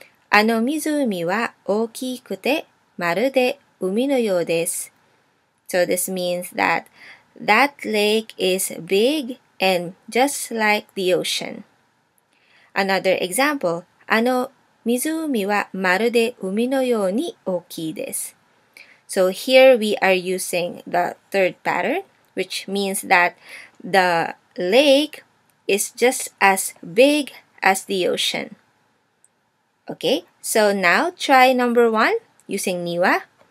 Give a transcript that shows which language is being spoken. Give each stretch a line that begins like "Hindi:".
Japanese: あの湖は大きくてまるで海のようです。
English: So this means that that lake is big and just like the ocean. Another example,
Japanese: あの湖はまるで海のように大きいです。
English: So here we are using the third pattern, which means that the lake is just as big as the ocean. Okay, so now try number one using niwa.